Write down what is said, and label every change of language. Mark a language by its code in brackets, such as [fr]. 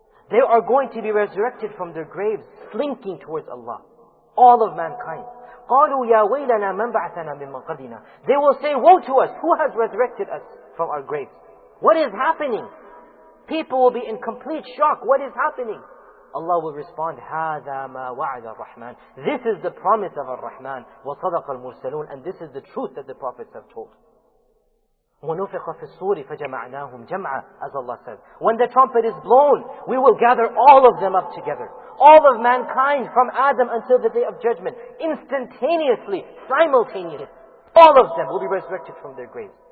[en] They are going to be resurrected from their graves, slinking towards Allah, all of mankind. [ar] قَالُوا يَا وَيْلَنَا مَنْ بَعْثَنَا مِنْ مَقَدِنَا. [en] They will say, woe to us, who has resurrected us from our graves? What is happening? People will be in complete shock. What is happening? Allah will respond, [ar] هَذَا مَا وَعَدَ الرَّحْمَنِ. [en] This is the promise of Ar-Rahman. [ar] وَصَدَقَ الْمُرْسَلُونَ. [en] And this is the truth that the prophets have told. [ar] وَنُفِقَ فِي الصُّورِ فَجَمَعْنَاهُمْ جَمْعًا. [en] As Allah says, when the trumpet is blown, we will gather all of them up together. All of mankind, from Adam until the day of judgment, instantaneously, simultaneously, all of them will be resurrected from their graves.